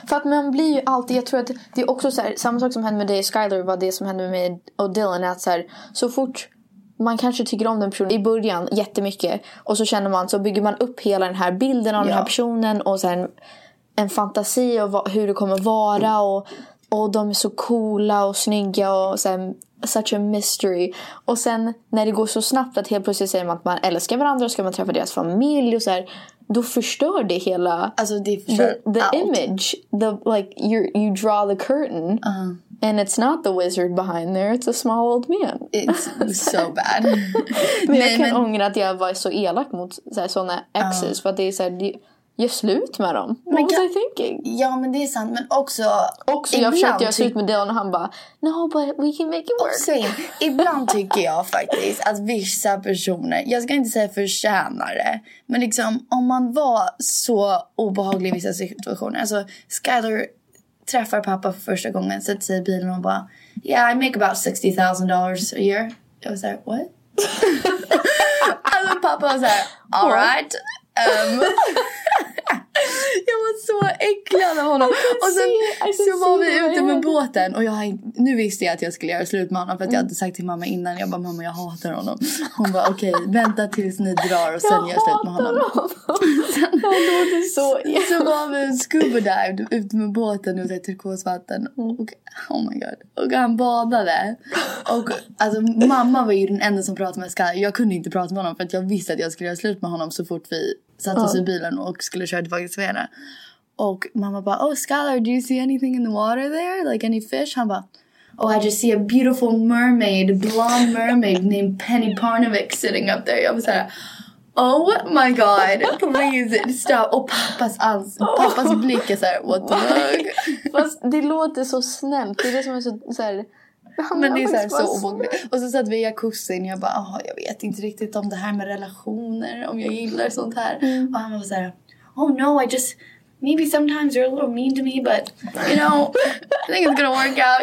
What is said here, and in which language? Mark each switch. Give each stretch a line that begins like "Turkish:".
Swedish: För att man blir ju alltid, jag tror att det är också så här, samma sak som hände med dig och Skyler var det som hände med mig och Dylan, att så här, så fort man kanske tycker om den personen i början jättemycket och så känner man, så bygger man upp hela den här bilden av, ja, den här personen och så här en fantasi av hur det kommer vara och de är så coola och snygga och så här,
English: such a mystery.
Swedish: Och sen när det går så snabbt att helt plötsligt säger man att man älskar varandra och ska man träffa deras familj och så här, då förstör det hela, alltså det förstör
English: the image, the, like, you draw the curtain, uh-huh, and it's not the wizard behind there, it's a small old man, it's so bad.
Swedish: Men jag kan ångra att jag var så elak mot såna exes, uh-huh, för att det är såhär, ge slut med dem.
English: What was I thinking?
Swedish: Ja, men det är sant. Men också... Också, jag försökte göra slut med Dylan och han bara...
English: No, but we can make it work.
Swedish: Också, ibland tycker jag faktiskt att vissa personer... Jag ska inte säga förtjänare. Men liksom, om man var så obehaglig i vissa situationer... Alltså, Skyler träffar pappa för första gången. Sätter sig i bilen och bara...
English: Yeah, I make about $60,000 a year.
Swedish: Jag var såhär, what? Alltså, pappa var såhär,
English: all right...
Swedish: jag var så äcklad av honom. Och sen så var vi ute med båten. Och nu visste jag att jag skulle göra slut med honom. För att jag hade sagt till mamma innan. Jag bara, mamma, jag hatar honom. Hon bara, okej, vänta tills ni drar. Och sen gör jag slut med honom. Så var vi scuba dived ute med båten. Ute i turkosvatten. Och,
English: oh my god.
Swedish: Och han badade. Och alltså, mamma var ju den enda som pratade med Skalle. Jag kunde inte prata med honom. För att jag visste att jag skulle göra slut med honom så fort vi... satt oss i bilen och skulle köra tillbaka till Sverige. Och mamma bara,
English: oh Skylar, do you see anything in the water there? Like any fish?
Swedish: Han bara,
English: oh I just see a beautiful mermaid, blonde mermaid named Penny Parnovic sitting up there.
Swedish: Jag var såhär,
English: oh my god, please stop.
Swedish: Och pappas blick är såhär,
English: what the fuck?
Swedish: Fast det låter så snällt, det är det som är såhär... Men det är såhär så obehagligt. Och så satt vi i jacuzzin. Jag bara, jag vet inte riktigt om det här med relationer. Om jag gillar sånt här. Och han var såhär,
English: oh no, I just... Maybe sometimes you're a little mean to me, but... You know, I think it's gonna work out.